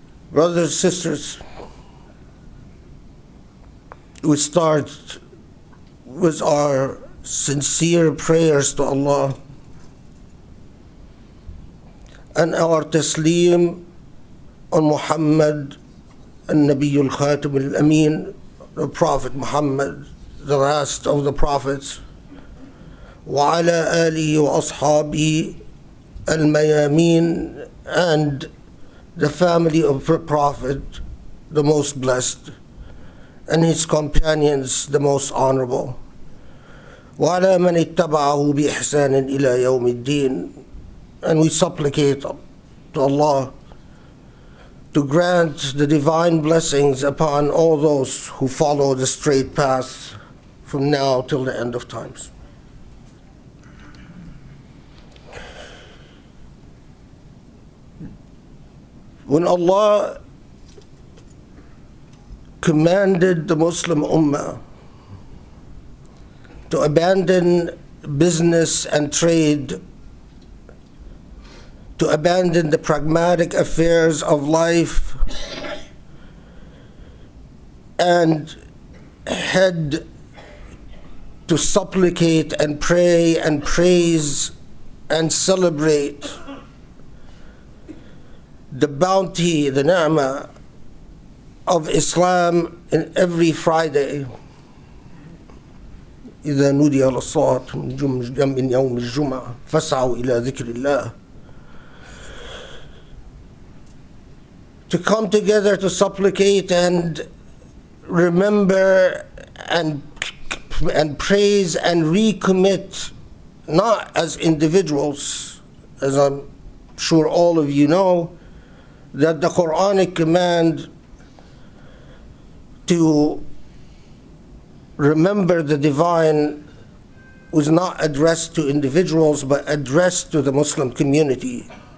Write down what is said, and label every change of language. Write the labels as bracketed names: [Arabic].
[English] Brothers, sisters, we start with our sincere prayers to Allah and our taslim on Muhammad, [Arabic] النبي الخاتم الأمين, [English] the Prophet Muhammad, the last of the prophets, [Arabic] وعلى آله وأصحابه الميامين, [English] and the family of the Prophet, the most blessed, and his companions, the most honorable. [Arabic] وعلى من اتبعه بإحسان إلى يوم الدين. [English] And we supplicate to Allah to grant the divine blessings upon all those who follow the straight path from now till the end of times. When Allah commanded the Muslim Ummah to abandon business and trade, to abandon the pragmatic affairs of life and head to supplicate and pray and praise and celebrate the bounty, the ni'mah of Islam in every Friday. [Arabic] إذا نودي على الصلاة من يوم الجمعة فسعوا إلى ذكر الله. [English] To come together to supplicate and remember and praise and recommit, not as individuals, as I'm sure all of you know, that the Quranic command to remember the divine was not addressed to individuals but addressed to the Muslim community.